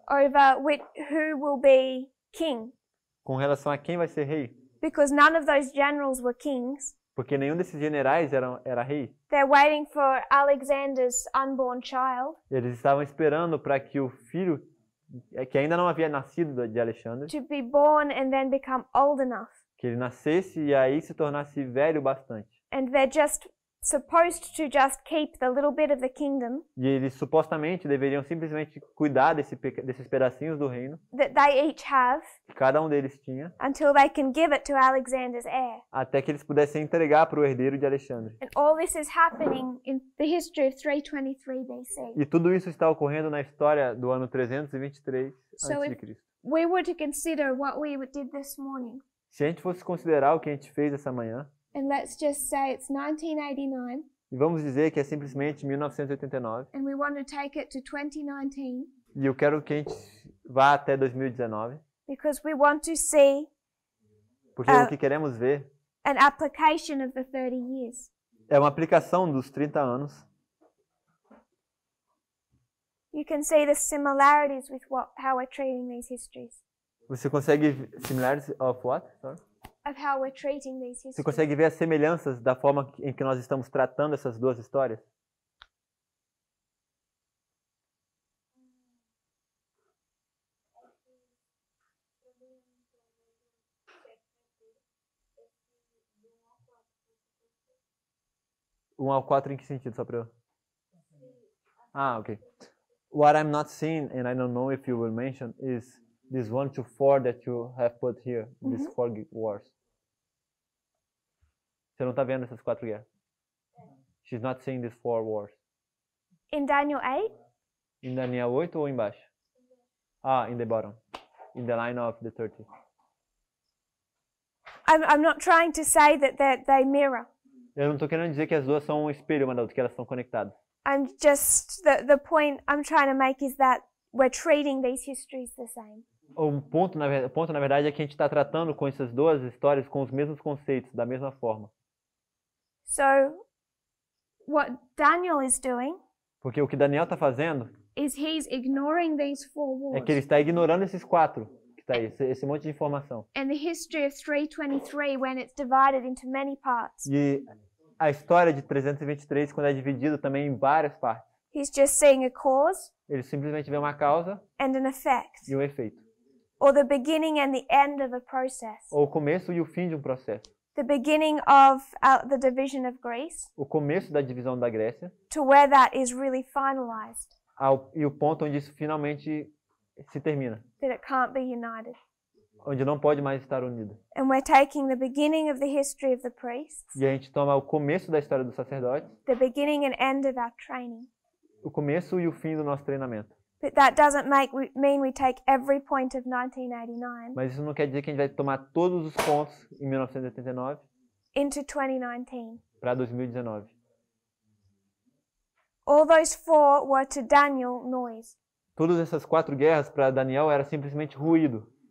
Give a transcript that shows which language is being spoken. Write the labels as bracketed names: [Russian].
[English] Over who will be king. [Portuguese] Com relação a quem vai ser rei. [English] Because none of those generals were kings. [Portuguese] Porque nenhum desses generais era rei. [English] They're waiting for Alexander's unborn child. [Portuguese] Eles estavam esperando para que o filho, que ainda não havia nascido de Alexandre, [English] to be born and then become old enough. [Portuguese] Que ele nascesse e aí se tornasse velho bastante. [English] And they're just supposed to just keep the little bit of the kingdom. [Portuguese] E eles supostamente deveriam simplesmente cuidar desses pedacinhos do reino. [English] That they each have. [Portuguese] Que cada um deles tinha. [English] Until they can give it to Alexander's heir. [Portuguese] Até que eles pudessem entregar para o herdeiro de Alexandre. [English] And all this is happening in the history of 323 BC. [Portuguese] E tudo isso está ocorrendo na história do ano 323 [English] a.C. So if we were to consider what we did this morning. [Portuguese] Se a gente fosse considerar o que a gente fez essa manhã. [English] And let's just say it's 1989. [Portuguese] E vamos dizer que é simplesmente 1989. [English] And we want to take it to 2019. [Portuguese] E eu quero que a gente vá até 2019. [English] Because we want to see. [Portuguese] Porque o que queremos ver. [English] An application of the 30 years. [Portuguese] É uma aplicação dos 30 anos. [English] You can see the similarities with how we're treating these histories. [Portuguese] Você consegue [English] similarities of what? Sorry. Of how we're treating these histories. [Portuguese] Você consegue ver as semelhanças da forma em que nós estamos tratando essas duas histórias? Um ao quatro em que sentido, só para eu? Ah, ok. [English] What I'm not seeing, and I don't know if you will mention, is this one to four that you have put here, mm-hmm. These four wars. [Portuguese] Você não está vendo essas quatro guerras. [English] She's not seeing these four wars. In Daniel 8? In Daniel 8 [Portuguese] ou embaixo? [English] Ah, in the bottom. In the line of the 30. I'm not trying to say that they mirror. [Portuguese] Eu não estou querendo dizer que as duas são um espelho, mas que elas estão conectadas. [English] I'm just, the point I'm trying to make is that we're treating these histories the same. [Portuguese] O ponto, na verdade, é que a gente está tratando com essas duas histórias com os mesmos conceitos, da mesma forma. [English] So, what Daniel is doing? [Portuguese] Porque o que Daniel está fazendo? [English] Is he's ignoring these four wars? [Portuguese] É que ele está ignorando esses quatro, que está aí, esse monte de informação. [English] And the history of 323 when it's divided into many parts. [Portuguese] E a história de 323 quando é dividida também em várias partes. [English] He's just seeing a cause. [Portuguese] Ele simplesmente vê uma causa. [English] And an effect. [Portuguese] E um efeito. [English] Or the beginning and the end of a process. [Portuguese] Ou o começo e o fim de um processo. [English] The beginning of the division of Greece. [Portuguese] O começo da divisão da Grécia. [English] To where that is really finalized. [Portuguese] E o ponto onde isso finalmente se termina. [English] That it can't be united. [Portuguese] Onde não pode mais estar unido. [English] And we're taking the beginning of the history of the priests. [Portuguese] E a gente toma o começo da história dos sacerdotes. [English] The beginning and end of our training. [Portuguese] O começo e o fim do nosso treinamento. [English] But that doesn't mean we take every point of 1989. [Portuguese] Mas isso não quer dizer que a gente vai tomar todos os pontos em 1989. [English] Into 2019. [Portuguese] Para 2019. [English] All those four were to Daniel noise. [Portuguese] Todas essas quatro guerras para Daniel era simplesmente ruído.